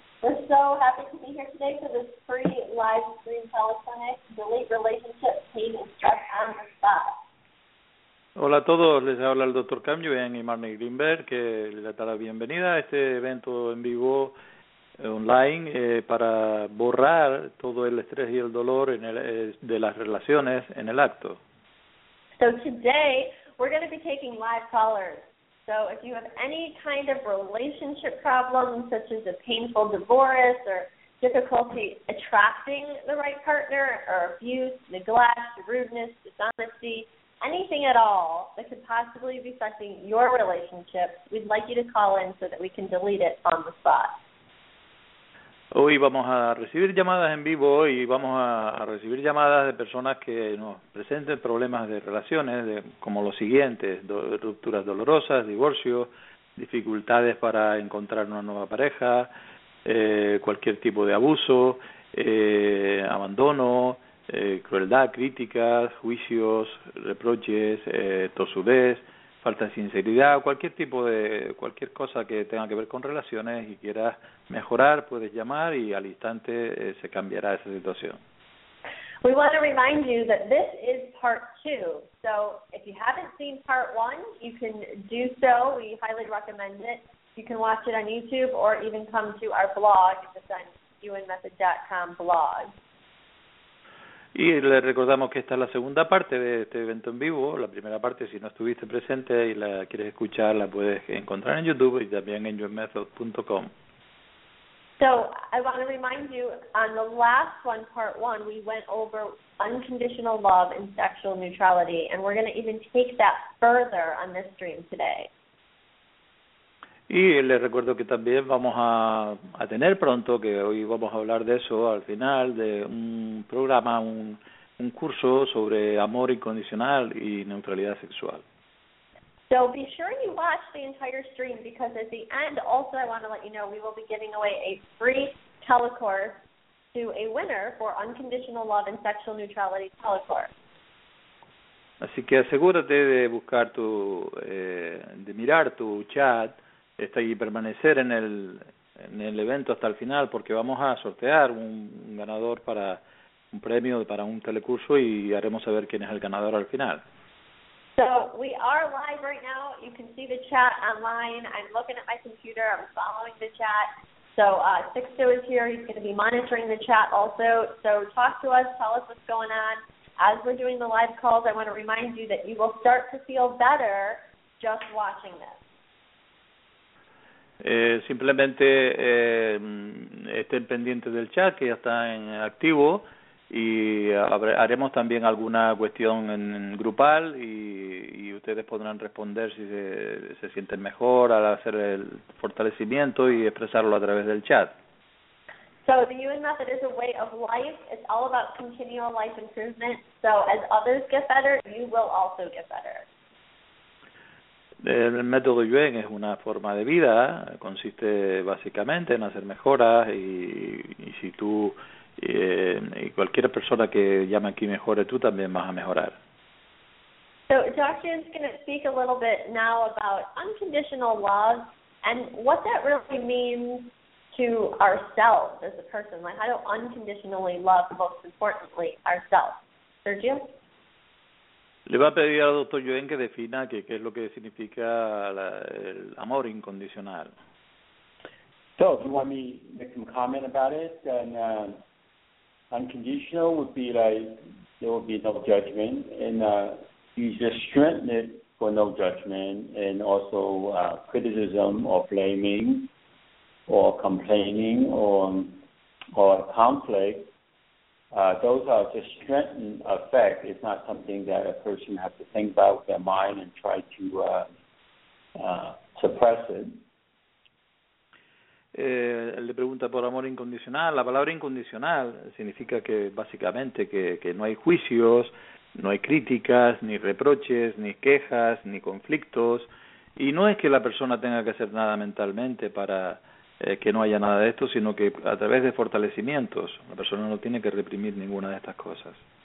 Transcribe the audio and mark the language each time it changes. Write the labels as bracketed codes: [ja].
[en] We're so happy to be here today for this free live stream teleclinic, Delete Relationship, Pain, and Stress on the Spot. [es] Hola a todos, les habla el Dr. Cam Yuen y Marnie Greenberg, que les da la bienvenida a este evento en vivo online para borrar todo el estrés y el dolor en el, de las relaciones en el acto. [en] So today, we're going to be taking live callers. So if you have any kind of relationship problem, such as a painful divorce or difficulty attracting the right partner or abuse, neglect, rudeness, dishonesty, anything at all that could possibly be affecting your relationship, we'd like you to call in so that we can delete it on the spot. [es] Hoy vamos a recibir llamadas en vivo y vamos a recibir llamadas de personas que nos presenten problemas de relaciones de, como los siguientes, rupturas dolorosas, divorcio, dificultades para encontrar una nueva pareja, cualquier tipo de abuso, abandono, crueldad, críticas, juicios, reproches, tosudez, falta de sinceridad, cualquier tipo de, cualquier cosa que tenga que ver con relaciones y quieras mejorar, puedes llamar y al instante se cambiará esa situación. [en] We want to remind you that this is part two. So if you haven't seen part one, you can do so. We highly recommend it. You can watch it on YouTube or even come to our blog. It's on unmethod.com blog. [es] Y le recordamos que esta es la segunda parte de este evento en vivo. La primera parte, si no estuviste presente y la quieres escuchar, la puedes encontrar en YouTube y también en yourmethod.com. [en] So, I want to remind you, on the last one, part one, we went over unconditional love and sexual neutrality, and we're going to even take that further on this stream today. [es] Y les recuerdo que también vamos a tener pronto, que hoy vamos a hablar de eso al final, de un programa, un curso sobre amor incondicional y neutralidad sexual. [en] So be sure you watch the entire stream because at the end, also I want to let you know, we will be giving away a free telecourse to a winner for unconditional love and sexual neutrality telecourse. [es] Así que asegúrate de buscar tu, de mirar tu chat, está ahí permanecer en el evento hasta el final porque vamos a sortear un ganador para un premio para un telecurso y haremos saber quién es el ganador al final. [en] So we are live right now. You can see the chat online. I'm looking at my computer. I'm following the chat. So Sixto is here. He's going to be monitoring the chat also. So talk to us. Tell us what's going on. As we're doing the live calls, I want to remind you that you will start to feel better just watching this. [es] Simplemente estén pendientes del chat que ya está en activo y haremos también alguna cuestión en grupal y ustedes podrán responder si se sienten mejor al hacer el fortalecimiento y expresarlo a través del chat. [en] So the UN method is a way of life. It's all about continual life improvement. So as others get better, you will also get better. [es] El método Yuen es una forma de vida, consiste básicamente en hacer mejoras y si tú y cualquier persona que llame aquí mejore, tú también vas a mejorar. [en] So Dr. Yuen is going to speak a little bit now about unconditional love and what that really means to ourselves as a person, like how to unconditionally love, most importantly, ourselves. Sergio? [es] Le va a pedir al doctor Yuen que defina qué es lo que significa el amor incondicional. [en] So, if you want me to make some comment about it, then unconditional would be like there will be no judgment, and you just strengthen it for no judgment, and also criticism or blaming or complaining or conflict. Those are just strengthened effect. It's not something that a person has to think about with their mind and try to suppress it. [es] Le pregunta por amor incondicional. La palabra incondicional significa que básicamente que no hay juicios, no hay críticas, ni reproches, ni quejas, ni conflictos. Y no es que la persona tenga que hacer nada mentalmente para que no haya nada de esto, sino que a través de fortalecimientos la persona no tiene que reprimir ninguna de estas cosas.